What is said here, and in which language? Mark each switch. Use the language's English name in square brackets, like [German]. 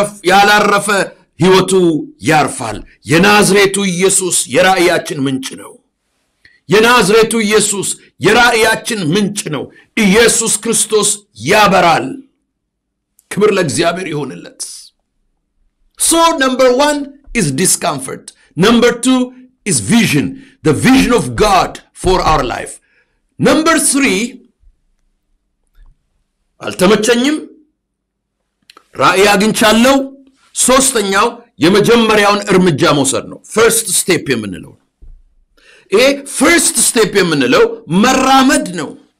[Amharic] ያላረፈ ሕይወቱ ያርፋል። የናዝሬቱ ኢየሱስ የራእያችን ምንጭ ነው። የናዝሬቱ ኢየሱስ የራእያችን ምንጭ ነው። ኢየሱስ ክርስቶስ ያበራል። ክብር ለእግዚአብሔር ይሁንለት። [English] So number one is discomfort. Number two is vision. The vision of God for our life. Number three, [Amharic] አልተመቸኝም፣ ራእይ አግኝቻለሁ። ሶስተኛው የመጀመሪያውን እርምጃ መውሰድ ነው። [English] First step [Amharic] የምንለው ይሄ [English] first step [Amharic] የምንለው መራመድ ነው።